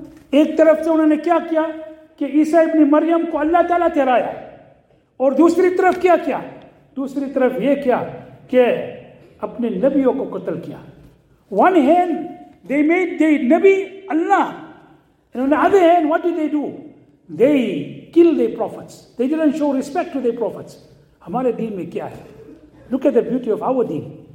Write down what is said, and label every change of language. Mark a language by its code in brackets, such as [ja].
[ur] ایک طرف سے انہوں نے کیا کیا کہ عیسیٰ ابن مریم کو اللہ تعالیٰ تہرایا اور دوسری طرف کیا کیا دوسری طرف یہ کیا کہ اپنے نبیوں کو قتل کیا. [en] One hand they made their نبی اللہ and on the other hand what did they do? They killed their prophets. They didn't show respect to their prophets. [ur] ہمارے دین میں کیا ہے؟ [en] Look at the beauty of our deen.